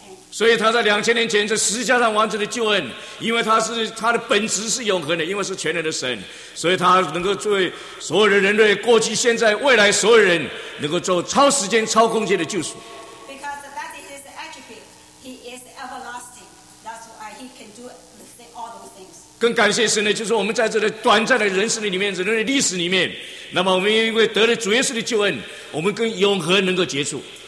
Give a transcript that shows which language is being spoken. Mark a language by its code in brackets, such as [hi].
[zh] 所以他在2000年前在十字架上完成的救恩，因为他的本质是永恒的，因为是全能的神，所以他能够作为所有的人类过去、现在、未来所有人能够做超时间、超空间的救赎。 [en] Because that is his attribute, he is everlasting. That's why he can do all those things. [zh] 更感谢神的就是我们在这个短暂的人生里面、人类历史里面，那么我们因为得了主耶稣的救恩，我们跟永恒能够接触。